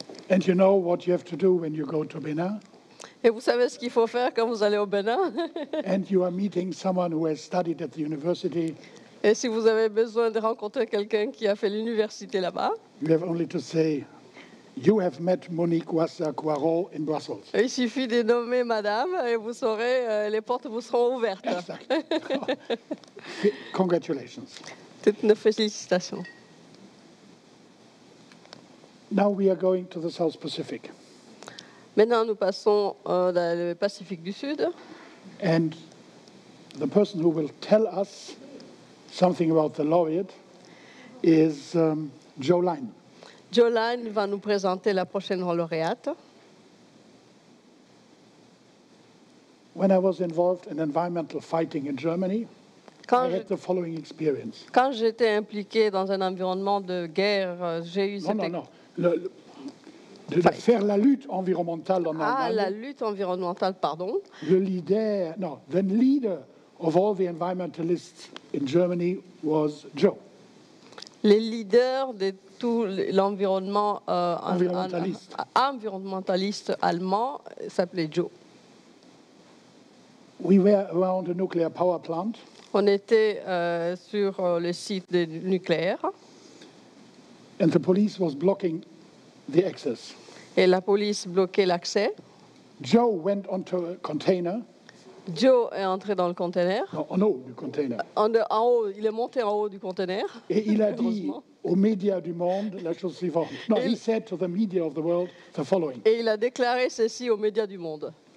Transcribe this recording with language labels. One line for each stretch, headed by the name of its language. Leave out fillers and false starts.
English: And you know what you have to do when you go to Benin?
French: Et vous savez ce qu'il faut faire quand vous allez au Bénin?
English: And you are meeting someone who has studied at the university.
French: Et si vous avez besoin de rencontrer quelqu'un qui a fait l'université là-bas?
English: You have only to say, you have met Monique Ouassa Kouaro in Brussels.
French: Et il suffit de nommer madame et vous saurez, les portes vous seront ouvertes.
English: Exactly. Congratulations.
French: Toutes nos félicitations.
English: Now we are going to the South Pacific.
French: Maintenant, nous passons dans le Pacifique du Sud.
English: And the person who will tell us something about the laureate is Jolaine.
French: Jolaine va nous présenter la prochaine lauréate.
English: When I was involved in environmental fighting in Germany, I had the following experience.
French: Quand j'étais impliqué dans un environnement de guerre, j'ai eu cette... De faire la lutte environnementale en Allemagne. Ah, la lutte environnementale, pardon.
English: The leader of all the environmentalists in Germany was Joe.
French: Les leaders de tout l'environnement environnementaliste allemand s'appelait Joe.
English: We were around a nuclear power plant.
French: On était sur le site de nucléaire.
English: And the police was blocking the access.
French: Et la police bloquait l'accès.
English: Joe went onto a container.
French: Joe est entré dans le conteneur. En haut du conteneur. En haut, il est monté en haut du conteneur. Et il a dit aux médias du monde la chose suivante.
English: No, he said to the media of the world the following.
French: Et il a déclaré ceci aux médias du monde.